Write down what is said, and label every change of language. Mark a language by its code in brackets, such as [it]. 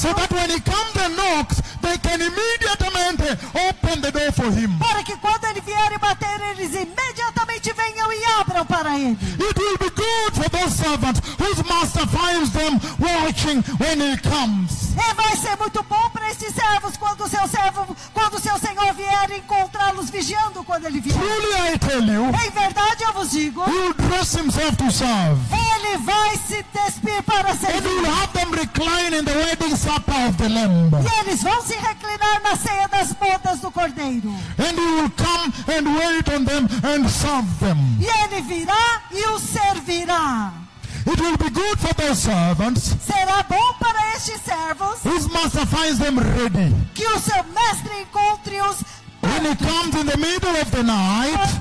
[en] So that when he comes and knocks, they can immediately open the door for him. [pt] Para que quando ele vier e bater, eles imediatamente venham e abram para ele. [en] It will be good for those servants whose master finds them watching when he comes. [pt] E vai ser muito bom para esses servos quando seu servo, quando seu senhor vier encontrá-los vigiando quando ele vier. [en] Truly I tell you, [pt] em verdade eu vos digo, [en] he will dress himself to serve. [pt] Ele vai se despir para servir. [en] And he will have them recline in the wedding supper of the Lamb. [pt] E eles vão se reclinar na ceia das bodas do Cordeiro. [en] And he will come and wait on them and serve them. [pt] E ele virá e os servirá. [en] It will be good for those servants. [pt] Será bom para estes servos. [en] His master finds them ready. [pt] Que o seu mestre encontre-os. [en] When he comes in the middle of the night.